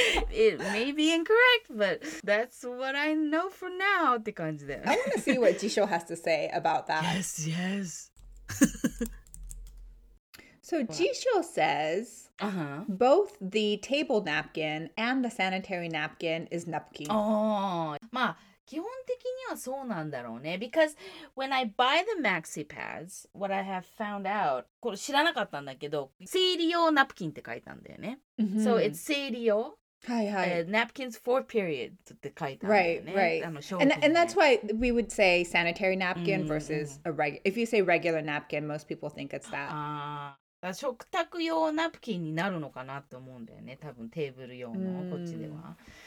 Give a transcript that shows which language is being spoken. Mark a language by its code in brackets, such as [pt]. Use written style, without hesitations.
[en] It may be incorrect, but that's what I know for now [ja] って感じで。 [en] I want to see what Jisho has to say about that. Yes. So Jisho says, both the table napkin and the sanitary napkin is napkin. [ja] まあ基本的にはそうなんだろうね。 [en] Because when I buy the maxi pads, what I have found out, [ja] これ知らなかったんだけど、生理用ナプキンって書いたんだよね。 [en] So it's 生理用。 [ja] はいはい。 [en] Napkins for period [ja] って書いたんだよね。 [en] Right. And that's why we would say sanitary napkin versus a regular. If you say regular napkin, most people think it's that. [ja] だ食卓用ナプキンになるのかなって思うんだよね。多分テーブル用の、こっちでは。